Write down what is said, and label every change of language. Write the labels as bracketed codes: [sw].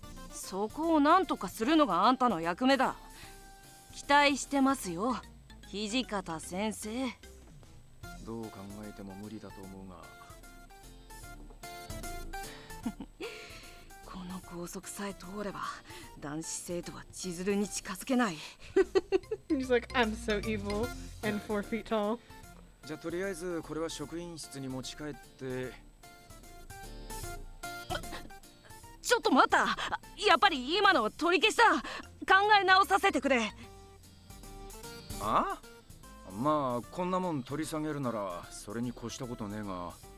[ja] そこを何とかするのがあんたの役目だ。期待してますよ、土方先生。どう考えても無理だと思うが。この校則さえ通れば男子生徒は千鶴に近づけない。 [en] He's like, I'm so evil and 4 feet tall. [ja] じゃあとりあえずこれは職員室に持ち帰って。ちょっと待った、やっぱり今のは取り消した。考え直させてくれ。ああ、まあこんなもん取り下げるならそれに越したことねえが。